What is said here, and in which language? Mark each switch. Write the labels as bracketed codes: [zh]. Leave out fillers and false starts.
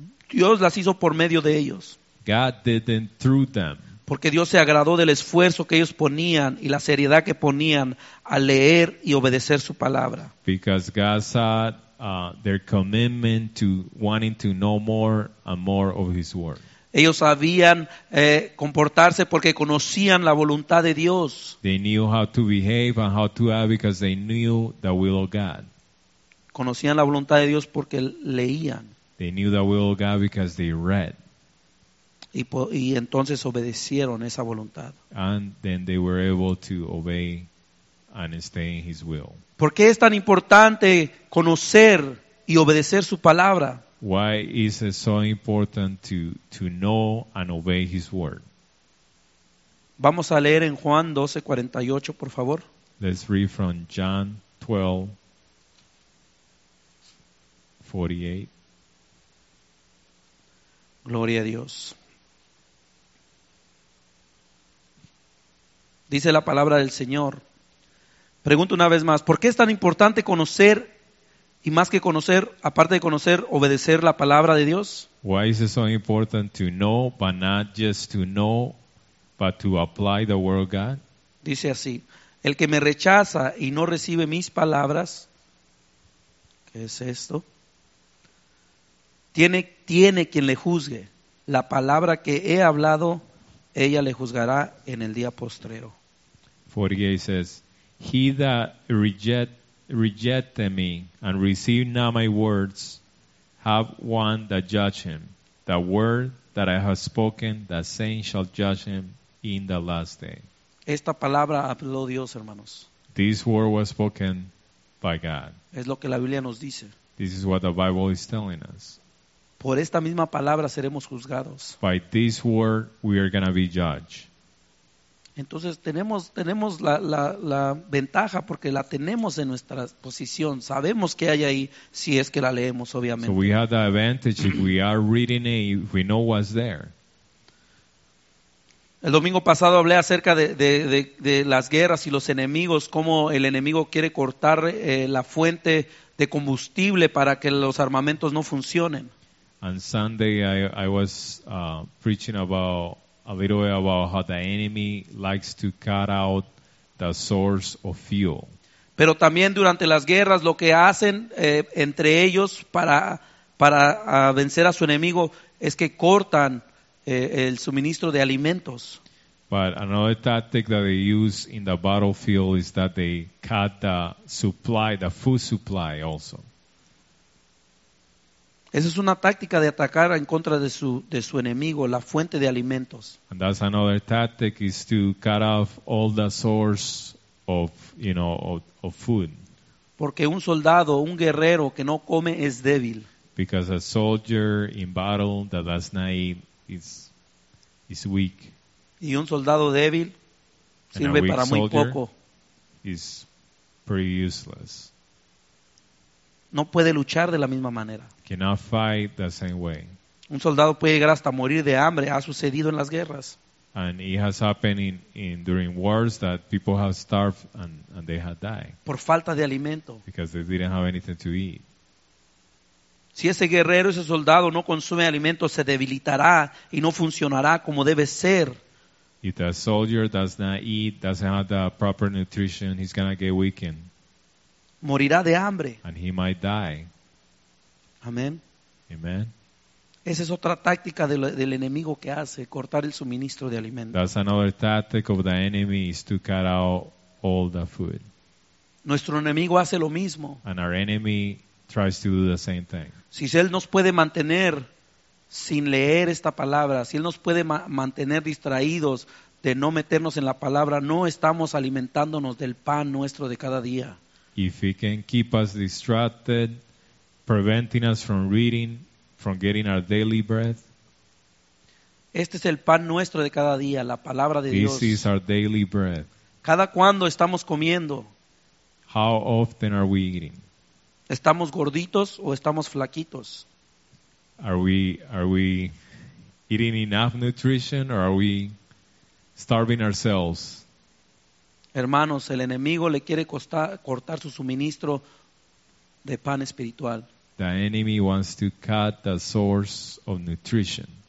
[es] Dios las hizo por medio de ellos. [en] God did them through them. [es] Porque Dios se agradó del esfuerzo que ellos ponían y la seriedad que ponían al leer y obedecer su palabra. [en] Because God saw their commitment to wanting to know more and more of his word. [es] Ellos sabían comportarse porque conocían la voluntad de Dios. [en] They knew how to behave and how to act because they knew the will of God. [es] Conocían la voluntad de Dios porque leían. [en] They knew the will of God because they read. [es] Y entonces obedecieron esa voluntad. [en] And then they were able to obey and stay in his will. [es] ¿Por qué es tan importante conocer y obedecer su palabra? [en] Why is it so important to know and obey his word? [es] Vamos a leer en Juan 12:48, por favor. [en] Let's read from John 12:48. [es] Gloria a Dios. Dice la palabra del Señor. Pregunto una vez más, ¿por qué es tan importante conocer y más que conocer, aparte de conocer, obedecer la palabra de Dios? [en] Why is it so important to know, but not just to know, but to apply the word of God? [es] Dice así, el que me rechaza y no recibe mis palabras, ¿qué es esto? Tiene quien le juzgue. La palabra que he hablado, ella le juzgará en el día postrero. [en] 48 says, he that rejected me and received not my words, have one that judge him. The word that I have spoken, the same shall judge him in the last day. [es] Esta palabra habló Dios, hermanos. [en] This word was spoken by God. [es] Es lo que la Biblia nos dice. [en] This is what the Bible is telling us. [es] Por esta misma palabra seremos juzgados. [en] By this word we are going to be judged. [es] Entonces tenemos la ventaja porque la tenemos en nuestra posición. Sabemos que hay ahí si es que la leemos, obviamente. [en] So we have the advantage if we are reading it, if we know what's there. [es] El domingo pasado hablé acerca de las guerras y los enemigos, cómo el enemigo quiere cortar la fuente de combustible para que los armamentos no funcionen. [en] On Sunday I was preaching about a little bit about how the enemy likes to cut out the source of fuel. [es] Pero también durante las guerras lo que hacen entre ellos para vencer a su enemigo es que cortan el suministro de alimentos. [en] But another tactic that they use in the battlefield is that they cut the supply, the food supply also. [es] Esa es una táctica de atacar en contra de su enemigo, la fuente de alimentos. [en] And that's another tactic is to cut off all the source of, you know, of food. [es] Porque un soldado, un guerrero que no come es débil. [en] Because a soldier in battle that does not eat is weak. [es] Y un soldado débil sirve para muy poco. [en] Is pretty useless. [es] No puede luchar de la misma manera. [en] Cannot fight the same way. [es] Un soldado puede llegar hasta morir de hambre. Ha sucedido en las guerras. [en] And it has happened in during wars that people have starved and they have died. [es] Por falta de alimento. [en] Because they didn't have anything to eat. [es] Si ese guerrero, ese soldado no consume alimento, se debilitará y no funcionará como debe ser. [en] If a soldier does not eat, doesn't have the proper nutrition, he's going to get weakened. [es] Morirá de hambre. [en] And he might die. [es] Amén. [en] Amen. [es] Esa es otra táctica del enemigo que hace, cortar el suministro de alimentos. [en] That's another tactic of the enemy is to cut out all the food. [es] Nuestro enemigo hace lo mismo. [en] And our enemy tries to do the same thing. [es] Si él nos puede mantener sin leer esta palabra, si él nos puede mantener distraídos de no meternos en la palabra, no estamos alimentándonos del pan nuestro de cada día. [en] If he can keep us distracted, preventing us from reading, from getting our daily bread. [es] Este es el pan nuestro de cada día, la palabra de Dios. [en] This is our daily bread. [es] ¿Cada cuándo estamos comiendo? [en] How often are we eating? [es] ¿Estamos gorditos o estamos flaquitos? [en] Are we eating enough nutrition or are we starving ourselves? [es] Hermanos, el enemigo le quiere cortar su suministro de pan espiritual. [en] The enemy wants to cut the source of nutrition.